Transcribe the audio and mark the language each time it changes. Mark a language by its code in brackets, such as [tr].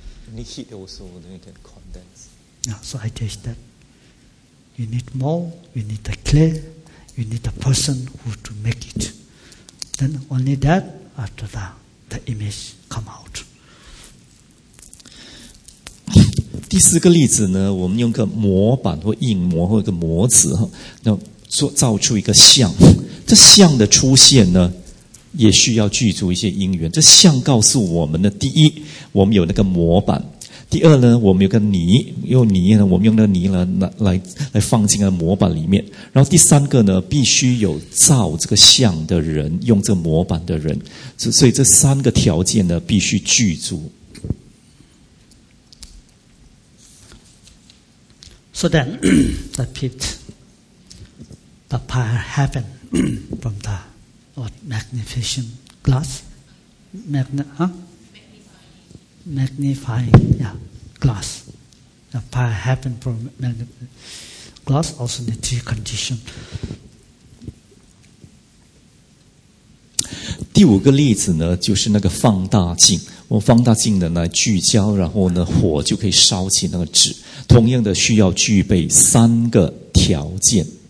[en] You need heat also, then you can condense. Yeah, so I teach that. You need more, you need the clay, you need the person who to make it. Then only that, after that, the image come out. [zh] 第四个例子呢，我们用个模板或硬模或一个模子，那造出一个像。这像的出现呢，也需要具足一些因缘。这像告诉我们呢，第一，我们有那个模板。第二呢，我们有个泥，用泥呢，我们用那个泥呢，来放进那模板里面。然后第三个呢，必须有造这个像的人，用这个模板的人。所以这三个条件呢，必须具足。 [en] So then, the pit, the pile heaven from the what magnificent glass, magnifying glass. The fire happened from glass also need three conditions. [zh] 第五个例子呢，就是那个放大镜。我们放大镜的呢聚焦，然后呢火就可以烧起那个纸。同样的，需要具备三个条件。